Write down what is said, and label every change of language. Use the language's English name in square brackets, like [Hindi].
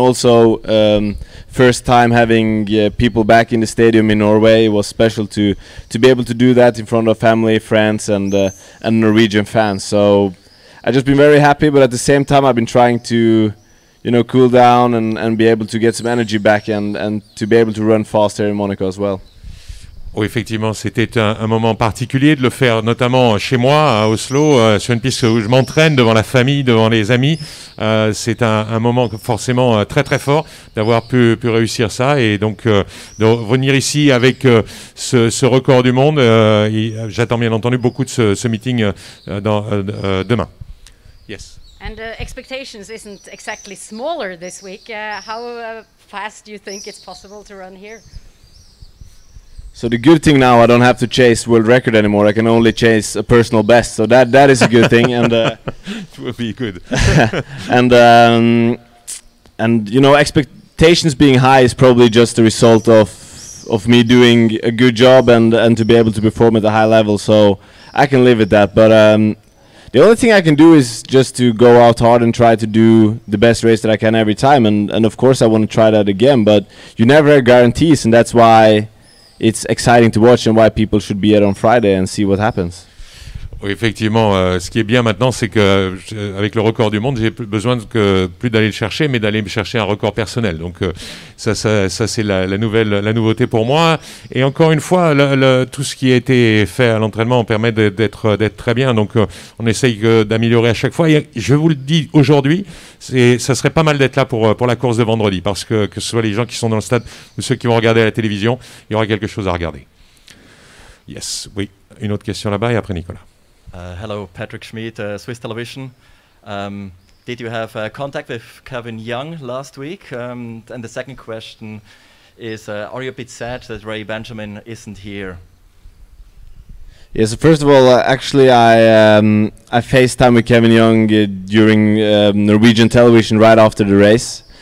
[English] And also, first time having people back in the stadium in Norway, it was special to be able to do that in front of family, friends, and Norwegian fans. So I've just been very happy, but at the same time, I've been trying to, you know, cool down and be able to get some energy back and to be able to run faster in Monaco as well. [French] Oui, effectivement, c'était un moment particulier de le faire, notamment chez moi, à Oslo, sur une piste où je m'entraîne devant la famille, devant les amis. C'est un moment forcément très, très fort d'avoir pu réussir ça. Et donc, de revenir ici avec ce record du monde, j'attends bien entendu beaucoup de ce meeting demain. [English] Yes. And the expectations isn't exactly smaller this week. How fast do you think it's possible to run here? So the good thing now, I don't have to chase world record anymore. I can only chase a personal best. So that is a good thing. And it will be good. and you know, expectations being high is probably just the result of me doing a good job and to be able to perform at a high level. So I can live with that. But the only thing I can do is just to go out hard and try to do the best race that I can every time. And of course, I want to try that again. But you never have guarantees. And that's why... It's exciting to watch and why people should be here on Friday and see what happens. [French] Oui, effectivement, ce qui est bien maintenant, c'est que avec le record du monde, j'ai plus besoin que plus d'aller le chercher, mais d'aller me chercher un record personnel. Donc ça c'est la nouveauté pour moi. Et encore une fois, tout ce qui a été fait à l'entraînement permet d'être très bien. Donc on essaye d'améliorer à chaque fois. Et je vous le dis aujourd'hui, ça serait pas mal d'être là pour la course de vendredi, parce que ce soit les gens qui sont dans le stade ou ceux qui vont regarder à la télévision, il y aura quelque chose à regarder. Yes, oui. une autre question là-bas et après Nicolas. [English] Hello, Patrick Schmidt, Swiss Television. Did you have contact with Kevin Young last week? And the second question is, are you a bit sad that Ray Benjamin isn't here? Yes, first of all, actually, I FaceTime with Kevin Young during Norwegian television right after the race.